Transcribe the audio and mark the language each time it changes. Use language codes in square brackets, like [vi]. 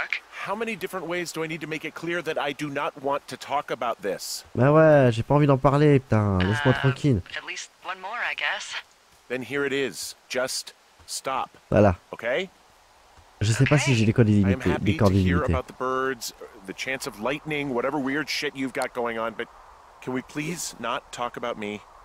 [en] How many different ways do I need to make it clear that I do not want to talk about this? [fr] Bah ouais, j'ai pas envie d'en parler, putain. Laisse-moi tranquille. [en] At least one more, I guess. Then here it is. Just stop. [fr] Voilà. Ok. Je sais pas si j'ai des codes illimités. [en] I'm happy to hear about the birds, the chance of lightning, whatever weird shit you've got going on, but can we please not talk about me?